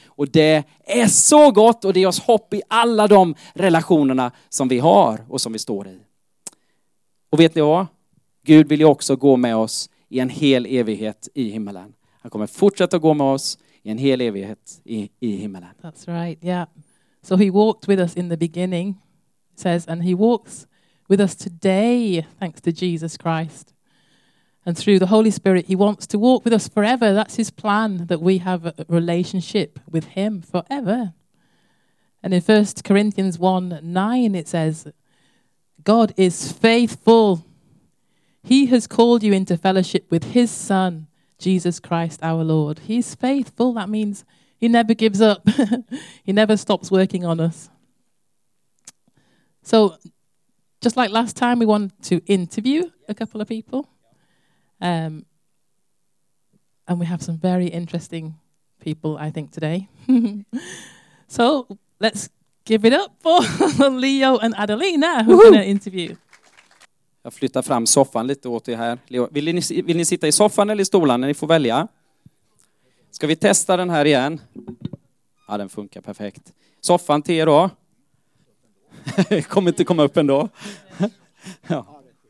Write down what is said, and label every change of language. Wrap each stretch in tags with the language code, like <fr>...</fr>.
<sv>Och det är så gott, och det ger oss hopp i alla de relationerna som vi har och som vi står i. Och vet ni vad? Gud vill ju också gå med oss i en hel evighet i himmelen. Han kommer fortsätta gå med oss i en hel evighet i himmelen.</sv> <en>That's right, yeah. So he walked with us in the beginning, it says, and he walks with us today, thanks to Jesus Christ. And through the Holy Spirit, he wants to walk with us forever. That's his plan, that we have a relationship with him forever. And in 1 Corinthians 1:9, it says, God is faithful. He has called you into fellowship with his Son, Jesus Christ, our Lord. He's faithful. That means he never gives up. He never stops working on us. So just like last time, we want to interview a couple of people. And we have some very interesting people, I think, today. So let's give it up for Leo and Adelina, who are going to interview.</en> <sv>Jag flyttar fram soffan lite åt er här. Vill ni sitta i soffan eller i stolarna? Ni får välja. Ska vi testa den här igen? Ja, den funkar perfekt. Soffan till er då. Kommer inte komma upp ändå. Ja.</sv>